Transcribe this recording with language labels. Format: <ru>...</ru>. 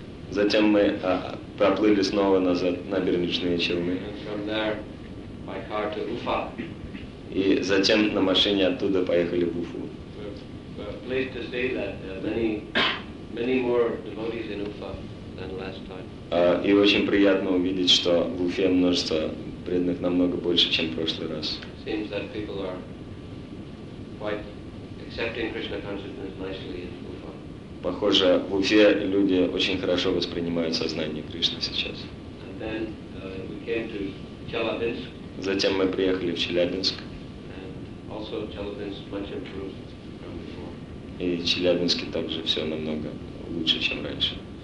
<ru>Затем мы проплыли снова назад Набережные Челны.</ru> <en>And from there by car to Уфа.</en> <ru>И затем на машине оттуда поехали в Уфу.</ru> <en>We're pleased to say that many more devotees in Уфа than last time.</en> <ru>И очень приятно увидеть, что в Уфе множество преданных намного больше, чем в прошлый раз.</ru> <en>Seems that people are quite accepting Krishna consciousness nicely in Ufa.</en> <ru>Похоже, в Уфе люди очень хорошо воспринимают сознание Кришны сейчас.</ru> <en>And then we came to Chelyabinsk.</en> <ru>Затем мы приехали в Челябинск.</ru> <en>And also Chelyabinsk much improved from before.</en> <ru>И в Челябинске также все намного лучше, чем раньше.</ru>